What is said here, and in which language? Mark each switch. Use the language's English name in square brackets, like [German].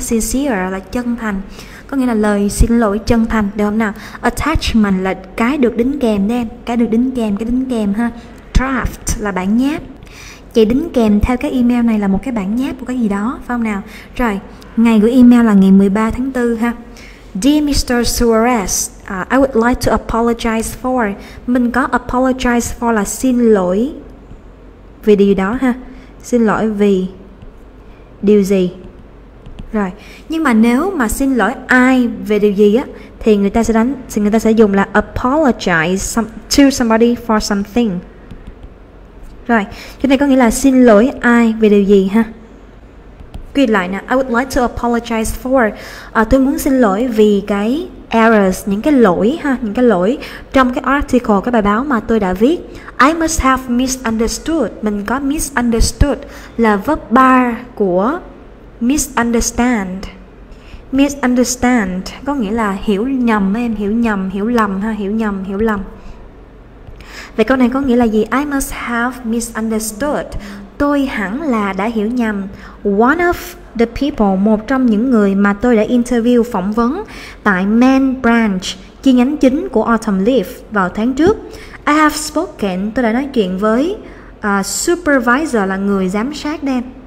[Vietnamese] Sincere là chân thành, có nghĩa là lời xin lỗi chân thành, được không nào? Attachment là cái được đính kèm đây em, cái được đính kèm, cái đính kèm ha. Draft là bản nháp, chạy đính kèm theo cái email này là một cái bản nháp của cái gì đó, phải không nào? Rồi, ngày gửi email là ngày 13 tháng 4 ha. [English] Dear Mr. Suarez, I would like to apologize for. [Vietnamese] Mình có apologize for là xin lỗi vì điều đó ha. Xin lỗi vì điều gì? Rồi, nhưng mà nếu mà xin lỗi ai về điều gì á, thì người ta sẽ đánh, thì người ta sẽ dùng là [English] apologize to somebody for something. [Vietnamese] Rồi, cái này có nghĩa là xin lỗi ai về điều gì ha. Quy lại nè, [English] I would like to apologize for, [Vietnamese] tôi muốn xin lỗi vì cái errors, những cái lỗi ha, những cái lỗi trong cái article, cái bài báo mà tôi đã viết. [English] I must have misunderstood, [Vietnamese] mình có [English] misunderstood là verb bar của [Vietnamese] Misunderstand. Misunderstand có nghĩa là hiểu nhầm, em hiểu nhầm, hiểu lầm ha, hiểu nhầm, hiểu lầm. Vậy câu này có nghĩa là gì? [English] I must have misunderstood. [Vietnamese] Tôi hẳn là đã hiểu nhầm. [English] One of the people, [Vietnamese] một trong những người mà tôi đã interview, phỏng vấn tại Main Branch, chi nhánh chính của Autumn Leaf vào tháng trước. [English] I have spoken, [Vietnamese] tôi đã nói chuyện với supervisor, là người giám sát đây.